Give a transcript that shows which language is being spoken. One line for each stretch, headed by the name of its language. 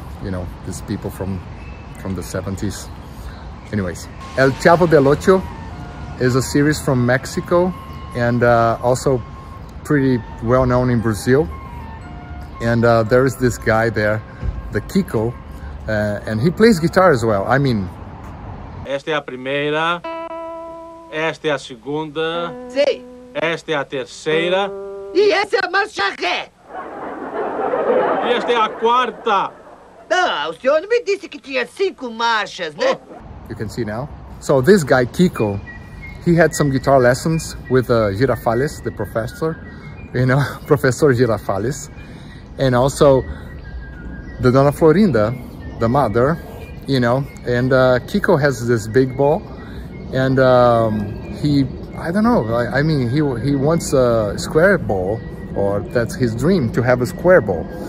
English: You know, these people from the 70s. Anyways, El Chavo del Ocho is a series from Mexico, and also pretty well known in Brazil. And there is this guy there, the Kiko, and he plays guitar as well. I mean,
Portuguese: esta é a primeira, esta é a segunda, sim, esta é a terceira, e essa é a marcha ré, e esta é a quarta. Ah, o senhor não me disse que tinha cinco marchas, né?
English: You can see now. So this guy Kiko, he had some guitar lessons with Girafales, the professor, you know, Professor Girafales. And also the Dona Florinda, the mother, you know. And Kiko has this big ball, and he, I don't know, I mean, he wants a square ball, or that's his dream, to have a square ball.